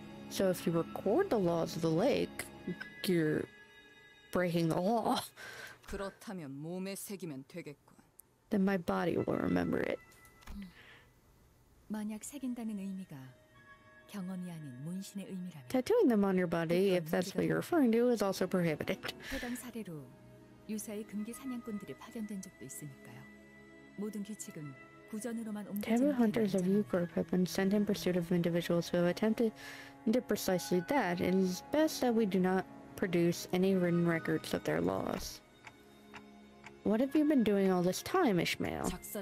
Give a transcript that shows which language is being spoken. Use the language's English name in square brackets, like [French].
[English] So if you record the laws of the lake, you're breaking the law. [Korean] 그렇다면 몸에 새기면 되겠군. [English] Then my body will remember it. [Korean] 만약 새긴다는 의미가 경험이 아닌 문신의 의미라면. [English] Tattooing them on your body, if that's what you're referring to, is also prohibited. [Korean] 해당 사례로 유사의 금기 사냥꾼들이 파견된 적도 있으니까요. 모든 규칙은 [English] Camera hunters of your group have been sent in pursuit of individuals who have attempted to precisely that. It is best that we do not produce any written records of their loss. What have you been doing all this time, Ishmael?